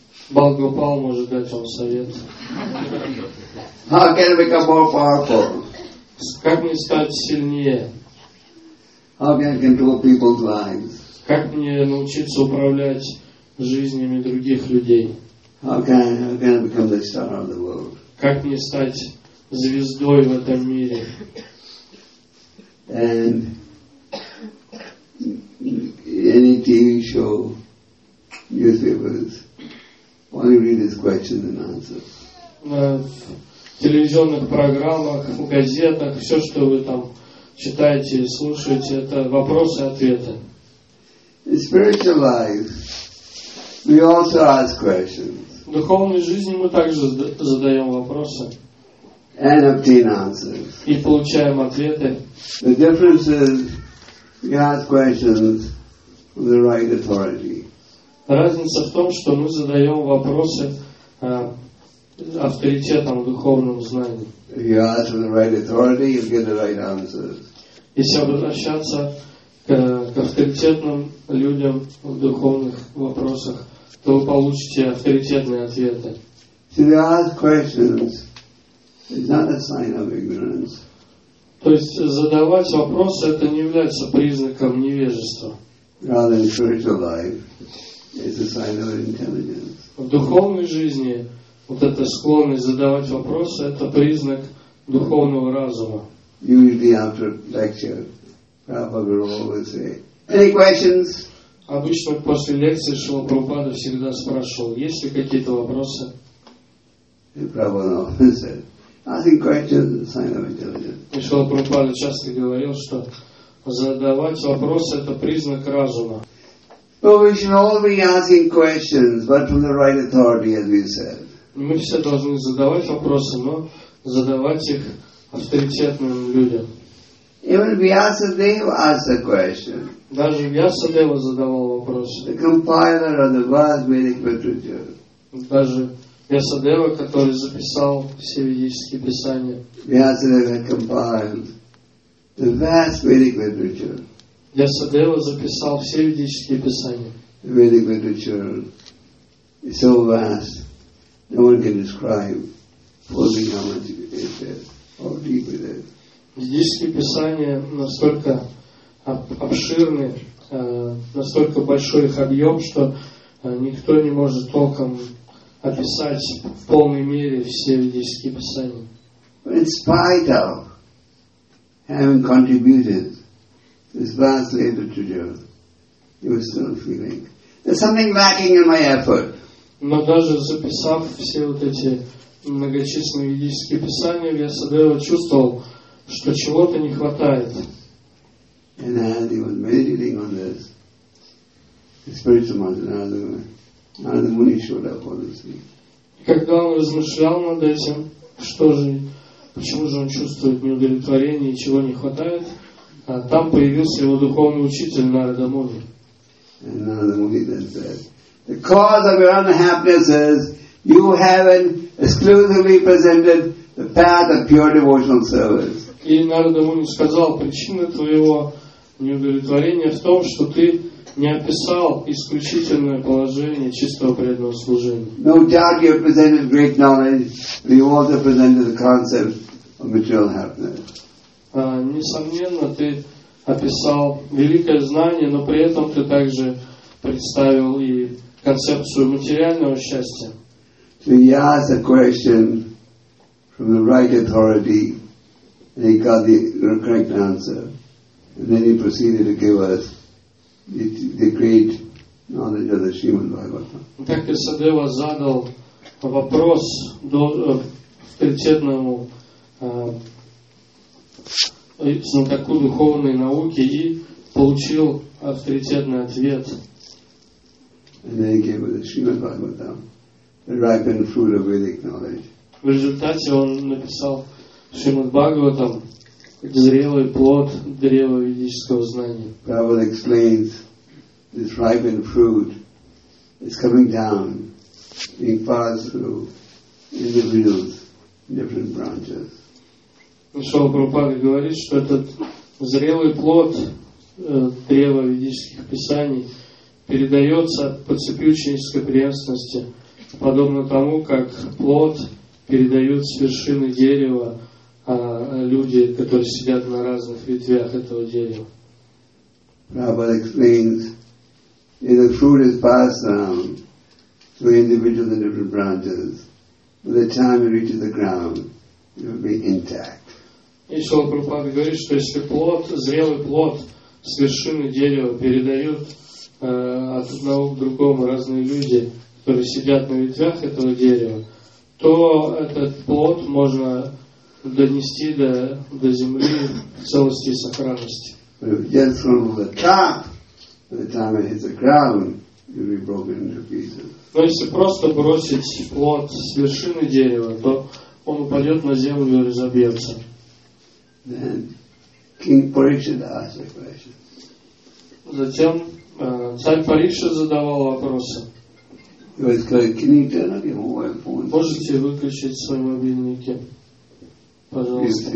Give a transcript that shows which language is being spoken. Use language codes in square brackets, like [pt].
[ru] Бхагавад может дать вам совет. [en] How can I become more powerful? [ru] Как мне стать сильнее? [en] How can I control people's lives? [ru] Как мне научиться управлять жизнями других людей? [en] How can I become the star of the world? [ru] Как мне стать звездой в этом мире? [en] And any TV show, newspapers. Only read his questions and answers. [ru] В телевизионных программах, в газетах, все, что вы там читаете и слушаете, это вопросы и ответы. [en] In spiritual life, we also ask questions. [ru] В духовной жизни мы также задаем вопросы. [en] And obtain answers. [ru] И получаем ответы. [en] The difference is We ask questions from the right authority. [ru] Разница в том, что мы задаем вопросы авторитетом в духовном знании. [en] If you ask the right authority, you get the right answers. [ru] Если обращаться к авторитетным людям в духовных вопросах, то вы получите авторитетные ответы. [en] So to ask questions is not a sign of ignorance. [ru] То есть задавать вопросы это не является признаком невежества. [en] Rather, in spiritual life, it's a sign of intelligence. [ru] В духовной жизни вот эта склонность задавать вопросы это признак духовного разума. [en] Usually after lecture, Prabhupada will always say, "Any questions?" [ru] Обычно после лекции Шрила Прабхупада всегда спрашивал, есть ли какие-то вопросы. [en] Prabhupada often said, "Asking questions is a sign of intelligence." [ru] Шрила Прабхупада часто говорил, что задавать вопросы это признак разума. [en] But we should all be asking questions, but from the right authority, as we said. [ru] Мы все должны задавать вопросы, но задавать их авторитетным людям. [en] Even Vyasadeva asked a question. [ru] Даже Вьясадева задавал вопросы. [en] The compiler of the vast Vedic literature. [ru] Даже Вьясадева, который записал все ведические писания. [en] Vyasadeva compiled the vast Vedic literature. [ru] Вьясадева записал все ведические писания. [en] The Vedic literature is so vast, no one can describe fully how much it is there, how deep it is. [ru] Ведические писания настолько обширны, настолько большой их объем, что никто не может толком описать в полной мере все ведические писания. [en] But in spite of having contributed this vast literature, he was still feeling there's something lacking in my effort. [ru] Но даже записав все вот эти многочисленные ведические писания, Вьясадева чувствовал, что чего-то не хватает. [en] And he was meditating on this. The spiritual mother, Narada Muni, showed up on the scene. [ru] Когда он размышлял над этим, что же, почему же он чувствует неудовлетворение и чего не хватает, там появился его духовный учитель Нарада Муни. [en] And Narada Muni then said, "The cause of your unhappiness is you haven't exclusively presented the path of pure devotional service." [ru] И Нарада Муни сказал, причина твоего неудовлетворения в том, что ты не описал исключительное положение чистого преданного служения. [en] No doubt you presented great knowledge, but you also presented the concept of material happiness. [ru] Несомненно, ты описал великое знание, но при этом ты также представил и концепцию материального счастья. [en] So he asked a question from the right authority. And he got the correct answer. And then he proceeded to give us the great knowledge of the Srimad Bhagavatam. [ru] Так Вьясадева задал вопрос авторитетному знатоку духовной науки и получил авторитетный ответ. [en] And then he gave us the Srimad Bhagavatam, the ripened fruit of Vedic knowledge. [ru] В результате он написал Шримад Бхагаватам зрелый плод древа ведического знания. [en] Prabhupada explains this ripened fruit is coming down being passed through individuals in different branches. [ru] Шрила Прабхупада говорит, что этот зрелый плод древа ведических писаний передается по цепи ученической преемственности подобно тому, как плод передают с вершины дерева люди, которые сидят на разных ветвях этого дерева. [en] Prabhupada explains, if the fruit is passed around to individuals in different branches, by the time it reaches the ground, it will be intact. [ru] И Шрила Прабхупада говорит, что если плод, зрелый плод с вершины дерева передают от одного к другому разные люди, которые сидят на ветвях этого дерева, то этот плод можно донести до земли в целости и сохранности. [en] But if it gets from the top, by the time it hits the ground, it will be broken into pieces. [ru] Но если просто бросить плод с вершины дерева, то он упадет на землю и разобьется. [en] Then King Parikshit asked a question. [ru] Затем царь Парикшит задавал вопросы. Можете выключить свои мобильники, пожалуйста.